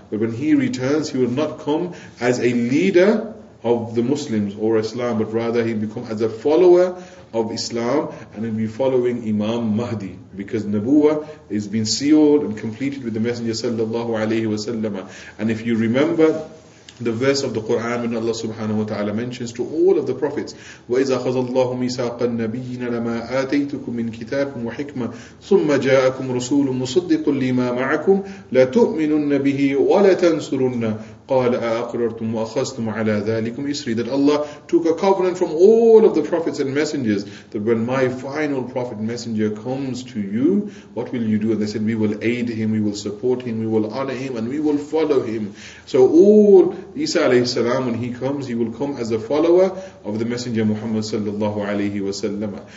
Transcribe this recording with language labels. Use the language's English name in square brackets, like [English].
[English] But when he returns, he will not come as a leader of the Muslims or Islam, but rather he'll become as a follower of Islam, and he'll be following Imam Mahdi, because Nabuwa is been sealed and completed with the Messenger sallallahu alayhi wa sallam. And if you remember the verse of the Quran when Allah subhanahu wa ta'ala mentions to all of the prophets, [Arabic] وَإِذَا خَذَ اللَّهُ مِيثَاقَ النَّبِيِّينَ لَمَا آتَيْتُكُمْ مِنْ كِتَابٍ وَحِكْمَةٍ ثُمَّ جَاءَكُمْ رَسُولٌ مُصَدِّقٌ لِمَا مَعَكُمْ لَتُؤْمِنُنَّ بِهِ وَلَتَنْصُرُنَّ قَالَ أَأَقْرَرْتُمْ وَأَخَذْتُمْ عَلَى ذَلِكُمْ إِسْرِي. [English] That Allah took a covenant from all of the prophets and messengers, that when my final prophet messenger comes to you, what will you do? And they said, we will aid him, we will support him, we will honor him, and we will follow him. So all Isa alayhi salam, when he comes, he will come as a follower of the Messenger Muhammad sallallahu alayhi wa sallam.